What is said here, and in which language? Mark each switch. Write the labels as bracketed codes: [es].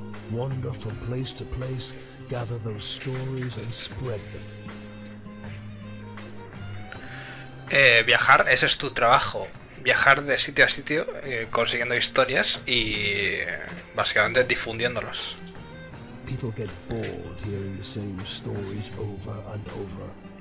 [en] Wander from place to place, gather those stories and spread them. [es] Viajar, ese es tu trabajo. Viajar de sitio a sitio, consiguiendo historias y básicamente difundiéndolas. [en] People get bored hearing the same stories over and over.